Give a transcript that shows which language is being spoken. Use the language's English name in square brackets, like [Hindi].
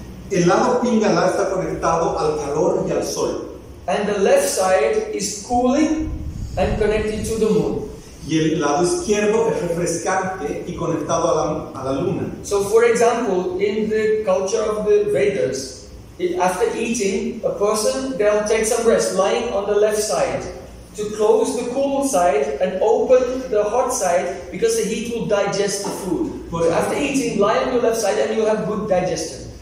[Spanish] El lado Pingala está conectado al calor y al sol. [English] And the left side is cooling and connected to the moon. [Spanish] Y el lado izquierdo es refrescante y conectado a la luna. [English] So, for example, in the culture of the Vedas, after eating, a person, they'll take some rest, lying on the left side, to close the cool side and open the hot side, because the heat will digest the food. So after eating, lie on the left side and you'll have good digestion.